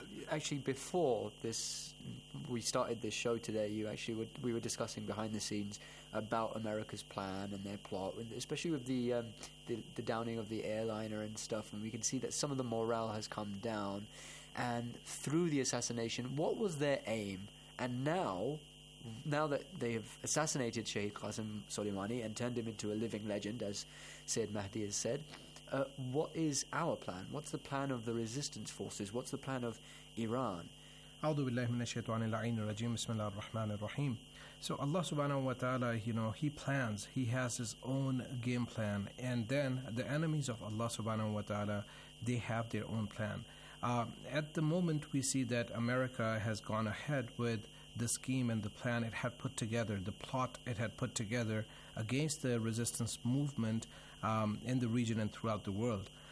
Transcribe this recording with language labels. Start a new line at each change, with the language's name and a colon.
English: actually, before this, we started this show today, we were discussing behind the scenes about America's plan and their plot, especially with the downing of the airliner and stuff, and we can see that some of the morale has come down. And through the assassination, what was their aim? And now that they have assassinated Sheikh Qasem Soleimani and turned him into a living legend, as Sayyid Mahdi has said, what is our plan? What's the plan of the resistance forces? What's the plan of Iran?
Arabic: أعوذ بالله من الشيطان اللعين الرجيم بسم الله الرحمن الرحيم.
English: So Allah subhanahu wa ta'ala, you know, he plans, he has his own game plan, and then the enemies of Allah subhanahu wa ta'ala, they have their own plan. At the moment, we see that America has gone ahead with the scheme and the plan it had put together, the plot it had put together against the resistance movement in the region and throughout the world.